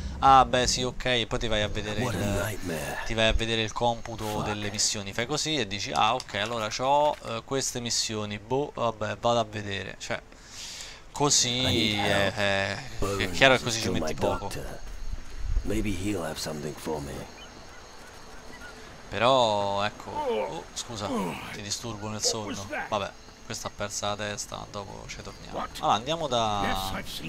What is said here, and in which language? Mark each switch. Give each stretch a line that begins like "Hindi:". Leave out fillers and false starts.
Italian: Ah beh sì, ok, e poi ti vai a vedere il computo delle missioni, fai così e dici ah ok, allora c'ho queste missioni, boh, vabbè, vado a vedere, cioè così è chiaro che così ci metti poco.
English: Maybe he'll have something for me.
Italian: Però, ecco, scusa, ti disturbo nel sonno. Vabbè, questa ha persa la testa, dopo ci torniamo. Allora, andiamo da...